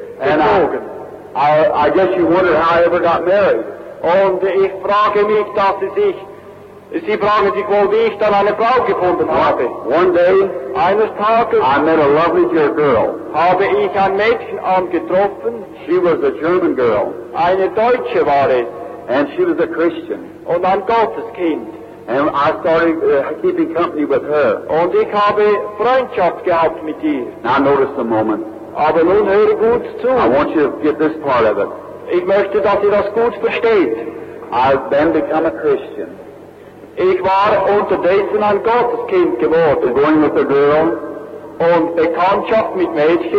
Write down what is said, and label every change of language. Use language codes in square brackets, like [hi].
[en] And I guess you wondered how I ever got married. [de] Und ich frage mich, dass es sich Sie fragen sich wohl, wie ich dann eine Frau gefunden habe. [en] One day, [de] eines Tages, [en] I met a lovely dear girl. [de] Habe ich ein Mädchen angetroffen. [en] She was a German girl. [de] Eine Deutsche war es. [en] And she was a Christian. [de] Und ein Gotteskind. [en] And I started keeping company with her. [de] Und ich habe Freundschaft gehabt mit ihr. [en] Now notice a moment. [de] Aber nun höre gut zu. [en] I want you to get this part of it. [de] Ich möchte, dass ihr das gut versteht. [en] I've then become a Christian. [de] Ich war unterdessen ein Gotteskind geworden. [en] Going with a girl. [de] Und Bekanntschaft mit Mädchen.